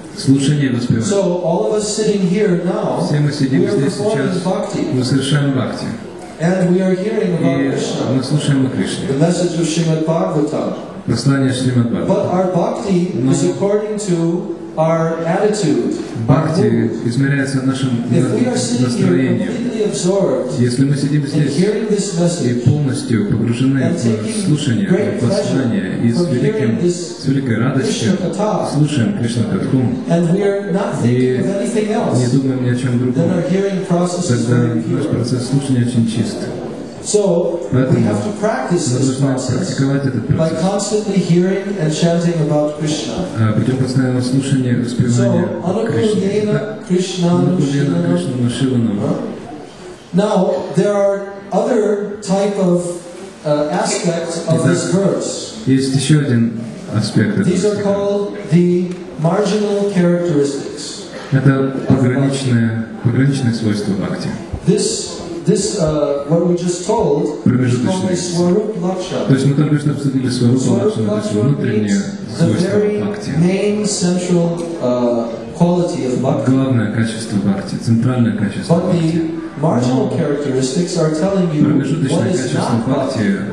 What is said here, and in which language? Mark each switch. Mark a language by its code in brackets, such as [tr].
[en] So all of us sitting here now, we are performing bhakti. And we are hearing about Krishna, the message of Srimad Bhagavatam. But our bhakti is according to our attitude. [ru] Бхакти измеряется нашим настроением. Если мы сидим здесь и полностью погружены в слушание, в послание, и с великой радостью слушаем Кришна Катху, и не думаем ни о чем другом, тогда наш процесс слушания очень чист. [en] So we have to practice this process by constantly hearing and chanting about Krishna. So Anukulyena Krishnanu Shivanam. Now there are other type of aspects of this verse. These are called the marginal characteristics. [ru] Это пограничные свойства бхакти. [en] This what we just told is called Swarup Laksha. [ru] То есть мы только что обсудили Swarup Laksha, то есть внутреннее свойство бхакти. [en] Main central quality of bhakti. [ru] Главное качество бхакти, центральное качество бхакти. [en] But the marginal characteristics are telling you what is not bhakti.